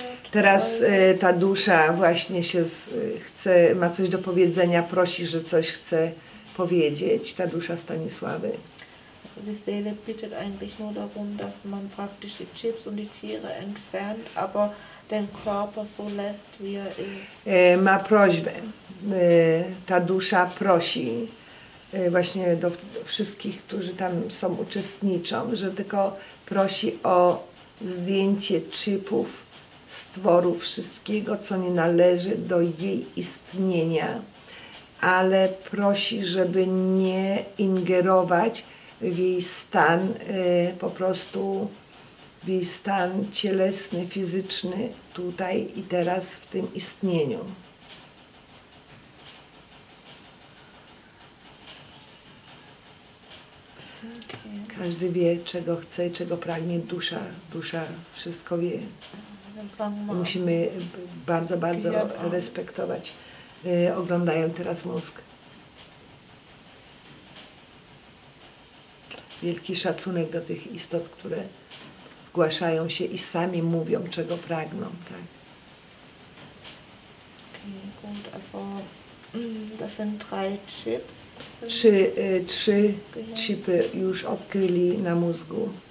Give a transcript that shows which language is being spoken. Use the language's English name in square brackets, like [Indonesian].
[Polish] Teraz ta dusza właśnie się chce, ma coś do powiedzenia, prosi, że coś chce powiedzieć, ta dusza Stanisławy. [German] Die Seele bittet eigentlich nur darum, dass man praktisch die Chips und die Tiere entfernt, aber den Körper so lässt, wie er ist. [Polish] Ma prośbę. Ta dusza prosi właśnie do wszystkich, którzy tam są uczestniczą, że tylko prosi o zdjęcie chipów z tworu wszystkiego, co nie należy do jej istnienia, ale prosi, żeby nie ingerować w jej stan, po prostu w jej stan cielesny, fizyczny, tutaj i teraz, w tym istnieniu. Każdy wie, czego chce, czego pragnie dusza. Dusza wszystko wie. Musimy bardzo, bardzo respektować. Oglądają teraz mózg. Wielki szacunek do tych istot, które zgłaszają się i sami mówią, czego pragną, tak? [German] Okay, gut, also, das sind drei chips. [Polish] Trzy chipy już odkryli na mózgu.